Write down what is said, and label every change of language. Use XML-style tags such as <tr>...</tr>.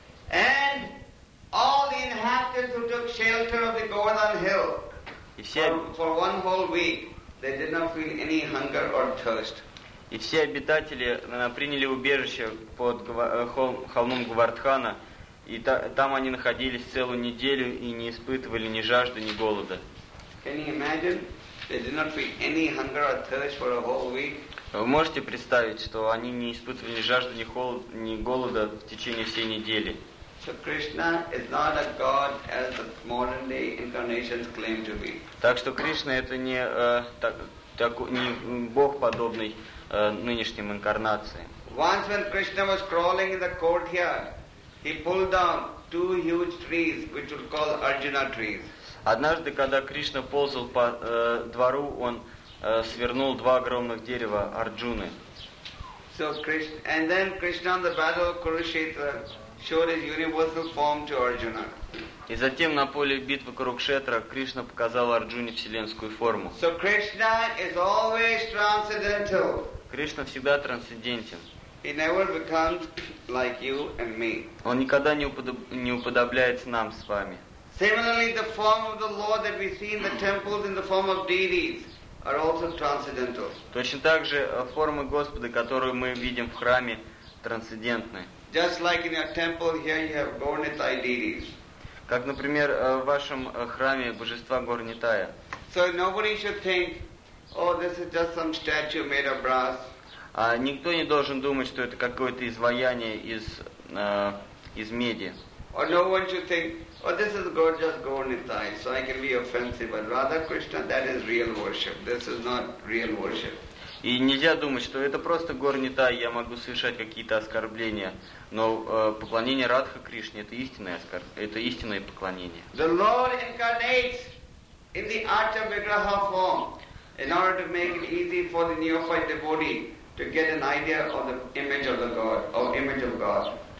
<en>And all the inhabitants who took shelter of the Govardhan hill for one whole week, they did not feel any hunger or thirst.</en> <ru>И все обитатели приняли убежище под холмом Говардхана, и там они находились целую неделю и не испытывали ни жажды, ни голода.</ru> <en>Can you imagine? They did not feel any hunger or thirst for a whole week.</en> <ru>Вы можете представить, что они не испытывали ни жажды, ни холода, ни голода в течение всей недели?</ru> <en>So Krishna is not a god as the modern day incarnations claim to be.</en> <ru>Так что Кришна это не не бог подобный нынешним инкарнациям.</ru> <en>Once when Krishna was crawling in the courtyard, he pulled down two huge trees which were called Arjuna trees.</en> <ru>Однажды, когда Кришна ползал по двору, он свернул два огромных дерева Арджуны.</ru> <en>So Krishna, and then Krishna on the battle of Kurukshetra showed his universal form to Arjuna.</en> <ru>И затем на поле битвы Курукшетра Кришна показал Арджуне вселенскую форму.</ru> <en>So Krishna is always transcendental.</en> <ru>Кришна всегда трансцендентен.</ru> <en>He never becomes like you and me.</en> <ru>Он никогда не уподобляется нам с вами.</ru> <en>Similarly, the form of the Lord that we see in the temples in the form of deities are also transcendental.</en> <ru>Точно так же формы Господа, которую мы видим в храме, трансцендентны.</ru> <en>Just like in your temple here you have Gornitai deities.</en> <ru>Как, например, в вашем храме божества Горнитая.</ru> <en>So nobody should think, oh, this is just some statue made of brass.</en> <ru>Никто не должен думать, что это какое-то изваяние из меди.</ru> <en>Or no one should think, oh, this is gorgeous Gornitai, so I can be offensive. But Radha Krishna, that is real worship. This is not real worship.</en> <ru>И нельзя думать, что это просто Горнитай, я могу совершать какие-то оскорбления. Но поклонение Радха Кришне – это истинное поклонение.</ru> <en>The Lord incarnates in the Archa Vigraha form in order to make it easy for the neophyte devotee to get an idea of the image of the God, or image of God.</en>